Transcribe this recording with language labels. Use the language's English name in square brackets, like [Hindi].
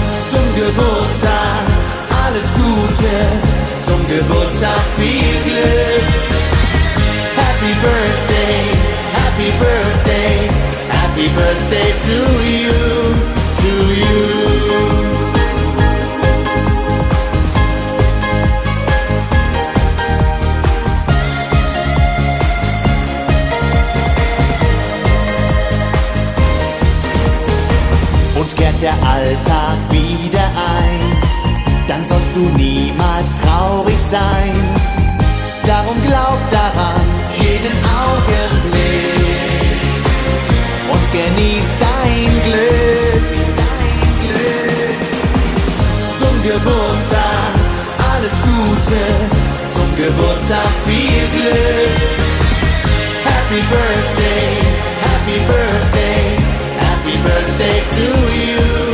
[German] Zum Geburtstag alles Gute, zum Geburtstag viel Glück. [English] Happy Birthday, Happy Birthday, Happy Birthday to you, to you. [German] Der Alltag wieder ein, dann sollst du niemals traurig sein. Darum glaub daran, jeden Augenblick, und genieß dein Glück. Dein Glück. Zum Geburtstag alles Gute, zum Geburtstag viel Glück. [English] Happy Birthday, Happy Birthday, Happy Birthday to you.